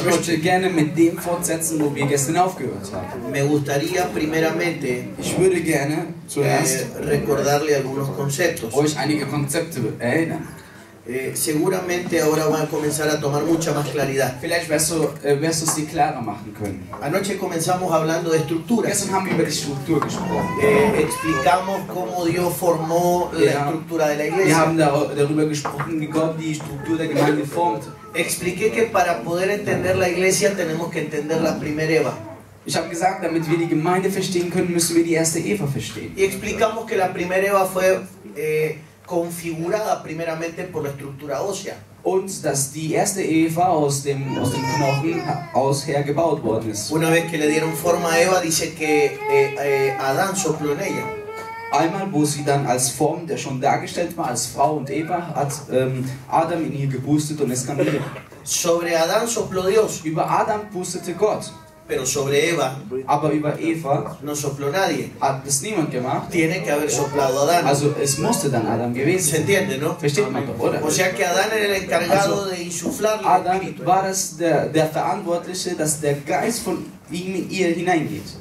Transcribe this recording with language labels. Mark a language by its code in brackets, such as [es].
[de] Ich möchte gerne mit dem fortsetzen, wo wir gestern aufgehört haben. [es] Me gustaría primeramente, [de] ich würde gerne zuerst [es] recordarle algunos conceptos. [de] Euch einige Konzepte erinnern. [es] Seguramente ahora van a comenzar a tomar mucha más claridad. [de] Vielleicht wirst du sie klarer machen können. [es] Anoche comenzamos hablando de estructuras. [de] Gestern haben wir über die Struktur gesprochen. [es] Explicamos cómo Dios formó la estructura de la iglesia. [de] Wir haben darüber gesprochen, wie Gott die Struktur der Gemeinde formt. [es] Expliqué que para poder entender la iglesia tenemos que entender la primera Eva. [de] Ich habe gesagt, damit wir die Gemeinde verstehen können, müssen wir die erste Eva verstehen. [es] Y explicamos que la primera Eva fue configurada primeramente por la estructura ósea. [de] Und dass die erste Eva aus dem Knochen aus her gebaut worden ist. [es] Una vez que le dieron forma a Eva, dice que Adán sopló en ella. [de] Einmal, wo sie dann als Form, der schon dargestellt war, als Frau und Eva, hat Adam in ihr gepustet und es kam Leben. [es] Sobre Adán sopló Dios. [de] Über Adam pustete Gott. [es] Pero sobre Eva, [de] aber über Eva [es] no sopló nadie. [de] Hat es niemand gemacht. [es] Tiene que haber soplado Adán. [de] Also es musste dann Adam gewesen sein. [es] Se entiende, ¿no? [de] Versteht man doch, oder? [es] O sea que Adán era el encargado de insuflar. [de] Adam war es der Verantwortliche, dass der Geist von ihm in ihr hineingeht.